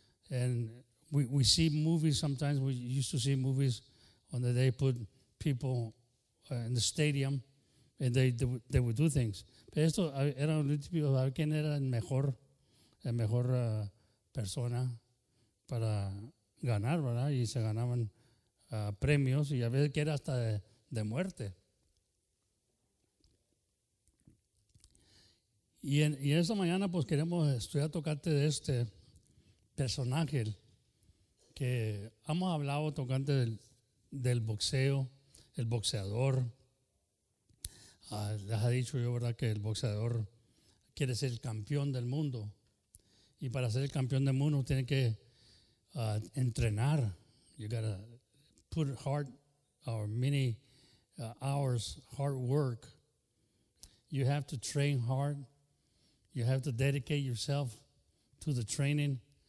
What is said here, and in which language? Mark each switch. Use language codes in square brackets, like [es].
[en] And we see movies sometimes, we used to see movies when they put people in the stadium and they would do things. [es] Pero esto era un tipo de quién era el mejor persona para ganar, ¿verdad? Y se ganaban premios y a veces que era hasta de muerte. Y en esta mañana pues queremos estudiar tocante de este personaje que hemos hablado tocante del boxeo, el boxeador. Les ha dicho yo, ¿verdad?, que el boxeador quiere ser el campeón del mundo. Y para ser el campeón del mundo tiene que entrenar. [en] You gotta put hard or many hours hard work. You have to train hard. You have to dedicate yourself to the training.